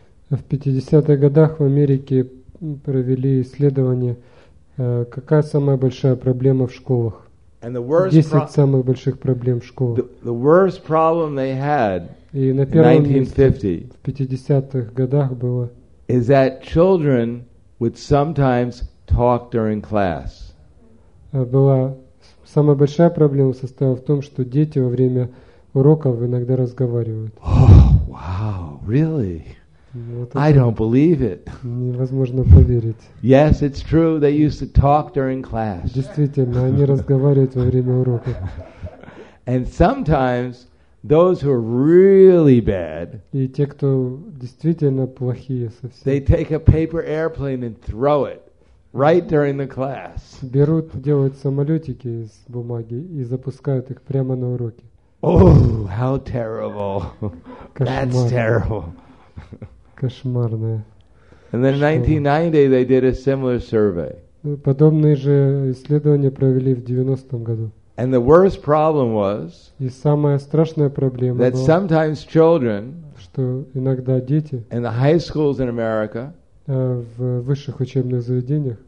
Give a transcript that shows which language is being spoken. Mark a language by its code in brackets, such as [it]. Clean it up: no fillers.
[ru] В 50-х годах в Америке провели исследование, какая самая большая проблема в школах. [en] And the worst [ru] 10 самых больших проблем в школах. [en] The worst problem they had in [ru] 1950. В 50-х годах было. [en] Is that children would sometimes talk during class. [ru] Была самая большая проблема состояла в том, что дети во время уроков иногда разговаривают. [en] Oh, wow, really? I don't believe it. [ru] Невозможно поверить. [en] Yes, it's true. They used to talk during class. [ru] Действительно, они разговаривают во время урока. [en] And sometimes those who are really bad. [ru] И те, кто действительно плохие совсем. [en] They take a paper airplane and throw it right during the class. [ru] Берут, делают самолетики из бумаги и запускают их прямо на уроке. [en] Oh, how terrible! That's terrible. [ru] Кошмарное. [en] And then in 1990 they did a similar survey. [ru] Подобные же исследования провели в 90-м году. [en] And the worst problem was. [ru] И самая страшная проблема была. [en] That sometimes children. [ru] Что иногда дети. [en] In the high schools in America. [ru] В высших учебных заведениях.